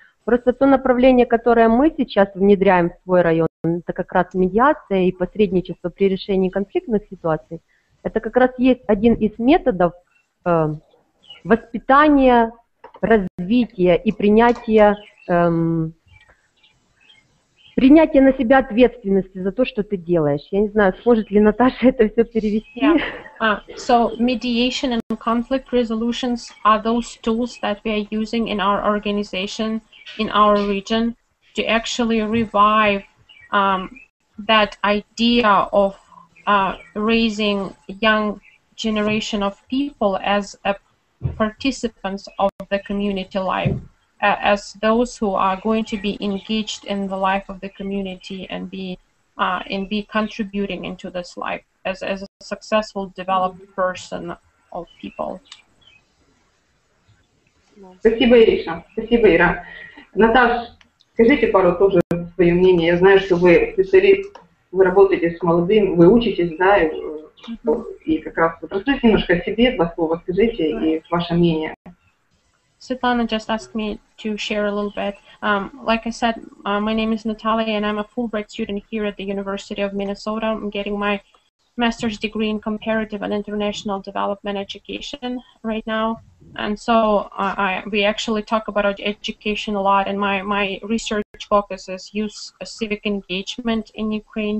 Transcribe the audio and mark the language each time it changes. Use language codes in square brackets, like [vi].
[ru] Просто то направление, которое мы сейчас внедряем в свой район, это как раз медиация и посредничество при решении конфликтных ситуаций, это как раз есть один из методов воспитания, развития и принятия, принятие на себя ответственности за то, что ты делаешь. Я не знаю, сможет ли Наташа это все перевести. [en] Yeah. So mediation and conflict resolutions are those tools that we are using in our organization, in our region, to actually revive that idea of raising young generation of people as a participants of the community life. As those who are going to be engaged in the life of the community and be contributing into this life as a successful developed person of people. [ru] Спасибо, Ириша. Спасибо, Ира. Наташ, скажите пару тоже свое мнение. Я знаю, что вы специалист, вы работаете с молодым, вы учитесь, да, и как раз вот расскажите немножко о себе, два слова скажите и ваше мнение. [en] Svetlana just asked me to share a little bit. Like I said, my name is Natalia, and I'm a Fulbright student here at the University of Minnesota. I'm getting my master's degree in comparative and international development education right now. And so we actually talk about education a lot, and my research focus is youth civic engagement in Ukraine.